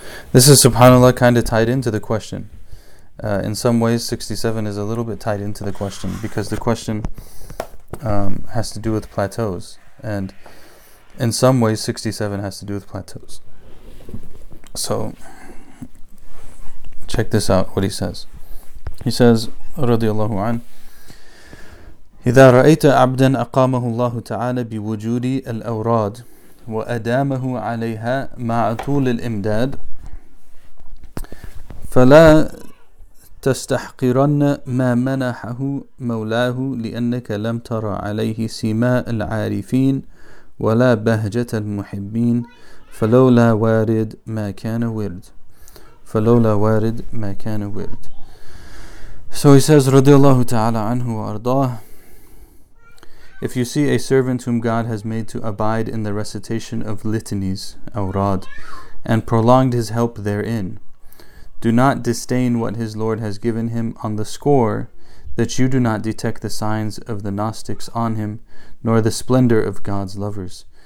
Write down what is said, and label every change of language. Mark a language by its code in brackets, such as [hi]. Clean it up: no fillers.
[en] This is, subhanAllah, kind of tied into the question. In some ways, 67 is a little bit tied into the question because the question has to do with plateaus, and in some ways 67 has to do with plateaus. So check this out, what he says. He says, [ar] radiallahu anhu, إِذَا رَأَيْتَ عَبْدًا أَقَامَهُ اللَّهُ تَعَالَى بِوُجُودِ الْأَوْرَادِ وَأَدَامَهُ عَلَيْهَا مَعَ طُولِ الْإِمْدَادِ فَلَا تَسْتَحْقِرَنَّ مَا مَنَحَهُ مَوْلَاهُ لِأَنَّكَ لَمْ تَرَ عَلَيْهِ سِمَاءَ الْعَارِفِينَ وَلَا بَهْجَةَ الْمُحِبِّينَ فَلَوْلَا وَارِدْ مَا كَانَ وَرِدْ فَلَوْلَا وَارِدْ مَا كَانَ وَرِدْ. [en] So he says, radiallahu ta'ala anhu wa ardah, if you see a servant whom God has made to abide in the recitation of litanies, awrad, and prolonged his help therein, do not disdain what his Lord has given him on the score that you do not detect the signs of the Gnostics on him, nor the splendor of God's lovers.